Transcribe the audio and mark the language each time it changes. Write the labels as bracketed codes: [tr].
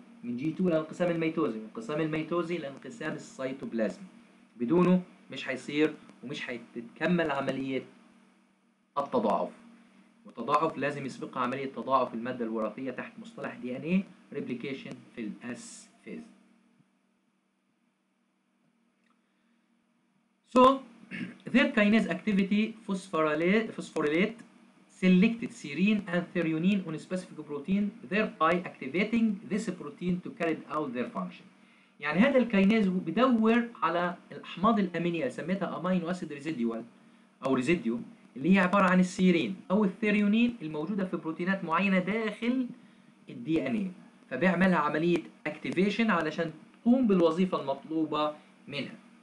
[ar] من جي 2 لانقسام الميتوزي، من انقسام الميتوزي لانقسام السيتوبلازم. بدونه مش هيصير ومش هتتكمل عملية التضاعف. وتضاعف لازم يسبقها عملية تضاعف المادة الوراثية تحت مصطلح دي ان ايه ريبليكيشن في الاس فيز. [en] So their kinase activity phosphorylate selected serine and threonine on a specific protein thereby activating this protein to carry out their function. [ar] يعني هذا الكيناز بدور على الأحماض الأمينية اللي سميتها أمينو أسيد ريزيديوال أو ريزيديو، اللي هي عبارة عن السيرين أو الثيريونين الموجودة في بروتينات معينة داخل الـ DNA، فبيعملها عملية أكتيفيشن علشان تقوم بالوظيفة المطلوبة منها.